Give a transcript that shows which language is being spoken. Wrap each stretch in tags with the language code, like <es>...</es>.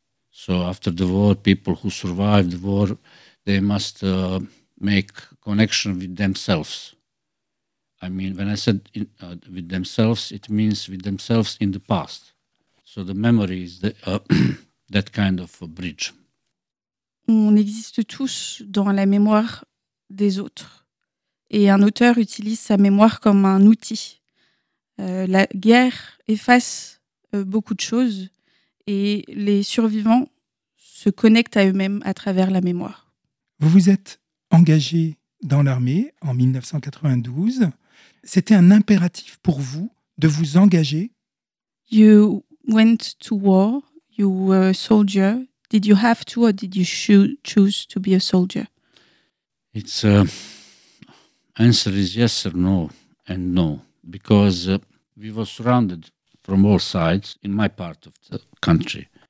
<en>So after the war, people who survived the war, they must make connection with themselves. I mean, when I said with themselves, it means with themselves in the past. So the memory is the, that kind of a bridge.</en> <fr>On existe tous dans la mémoire des autres. Et un auteur utilise sa mémoire comme un outil. La guerre efface beaucoup de choses et les survivants se connectent à eux-mêmes à travers la mémoire. Vous vous êtes engagé dans l'armée en 1992. C'était un impératif pour vous de vous engager?</fr> <en>You went to war, you were a soldier. Did you have to or did you choose to be a soldier? It's a... Answer is yes or no, and no, because we were surrounded from all sides in my part of the country.</en>